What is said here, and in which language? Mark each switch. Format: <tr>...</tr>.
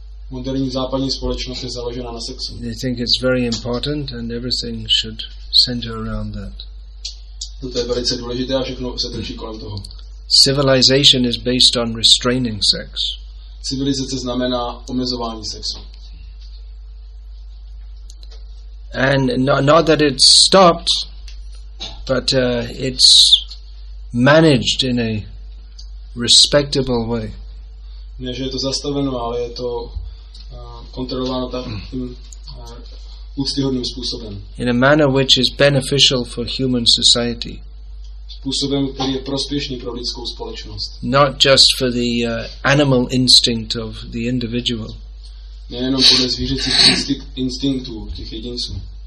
<cs>Moderní západní společnost je založena na sexu.</cs> <en>They think it's very important, and everything should center around that.</en> <cs>To je velice důležité a všechno se točí kolem toho.</cs> <en>Civilization is based on restraining sex.</en> <cs>Civilizace znamená omezování sexu.</cs> <en>And not that it's stopped, but it's managed in a respectable way.</en> <cs>Ne, že je to zastaveno, ale je to kontrolováno takým úctyhodným způsobem.</cs> <en>In a manner which is beneficial for human society.</en> <cs>Způsobem, který je prospěšný pro lidskou společnost.</cs> <en>Not just for the animal instinct of the individual.</en> <cs>Nejenom podle zvířecích instinktů těch jedinců.</cs>